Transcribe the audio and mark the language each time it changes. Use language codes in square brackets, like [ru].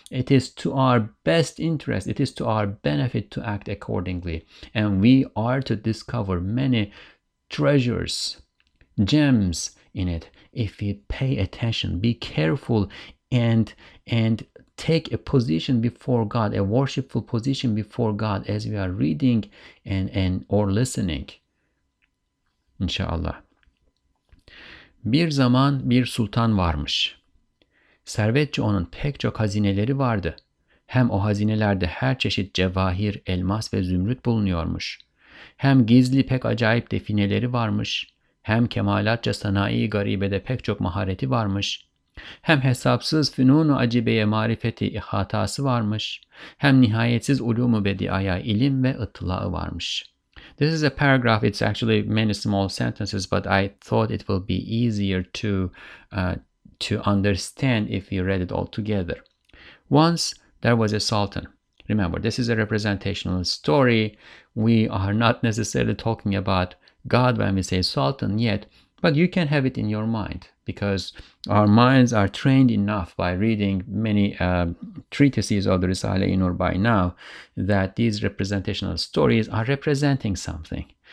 [en] It is to our best interest, it is to our benefit to act accordingly, and we are to discover many treasures, gems in it, if we pay attention, be careful, and take a position before God, a worshipful position before God as we are reading and or listening. [tr] İnşallah. Bir zaman bir sultan varmış. Servetçe onun pek çok hazineleri vardı. Hem o hazinelerde her çeşit cevahir, elmas ve zümrüt bulunuyormuş. Hem gizli pek acayip defineleri varmış. Hem kemalatça sanayi garibede pek çok mahareti varmış. Hem hesapsız fünun-u acibeye marifeti ihatası varmış, hem nihayetsiz ulûm-u bediaya ilim ve ıtlağı varmış. [en] This is a paragraph, it's actually many small sentences, but I thought it will be easier to understand if you read it all together. Once there was a sultan. Remember, this is a representational story. We are not necessarily talking about God when we say sultan yet, but you can have it in your mind, because our minds are trained enough by reading many treatises of the Risale-i Nur by now that these representational stories are representing something.